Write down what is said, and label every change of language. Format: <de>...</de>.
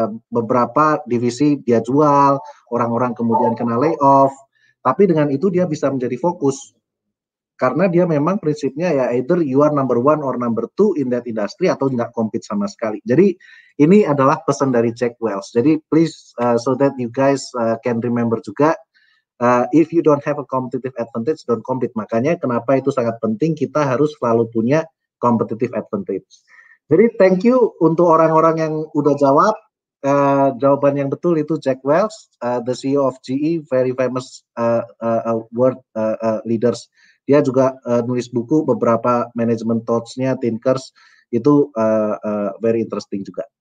<id>Beberapa divisi dia jual, orang-orang kemudian kena layoff. Tapi dengan itu dia bisa menjadi fokus. Karena dia memang prinsipnya ya</id> <en>either you are number one or number two in that industry</en> <id>atau nggak compete sama sekali. Jadi ini adalah pesan dari Jack Welch.</id> <en>Jadi please so that you guys can remember juga if you don't have a competitive advantage, don't compete.</en> <id>Makanya kenapa itu sangat penting, kita harus selalu punya competitive advantage. Jadi</id> <en>thank you</en> <id>untuk orang-orang yang udah jawab. Jawaban yang betul itu</id> <en>Jack Welch, the CEO of GE, very famous world leaders.</en> <id>Dia juga nulis buku beberapa management thoughts-nya, thinkers, itu</id> <en>very interesting</en> <id>juga.</id>